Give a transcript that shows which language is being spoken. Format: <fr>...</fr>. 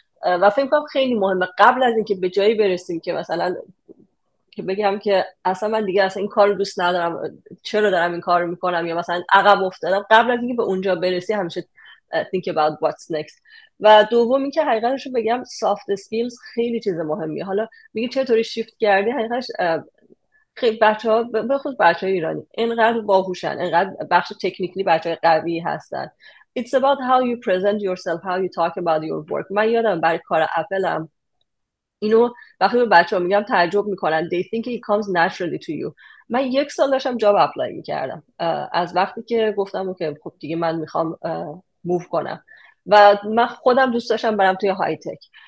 <fa>و فکر کنم خیلی مهمه قبل از اینکه به جایی برسیم که مثلا که بگم که اصلا من دیگه اصلا این کارو دوست ندارم، چرا دارم این کارو میکنم، یا مثلا عقب افتادم، قبل از اینکه به اونجا برسی همیشه think about what's next. و دوم این که حقیقتش رو بگم soft skills خیلی چیز مهمیه. حالا میگه چطوری شیفت کردی، حقیقتش خیلی بچه ها به خود بچه های ایرانی اینقدر باهوشن، اینقدر بخش تکنیکلی بچه های قوی هستن.</fa> <en>It's about how you present yourself, how you talk about your work.</en> <fa>من یادم برای کار اپلم اینو وقتی به بچه ها میگم تعجب میکنن، they think it comes naturally to you. من یک سال داشتم جاب اپلای میکردم از وقتی که گفتم که خب دیگه من میخوام موف کنم، و من خودم دوست داشتم برم توی های تک.</fa>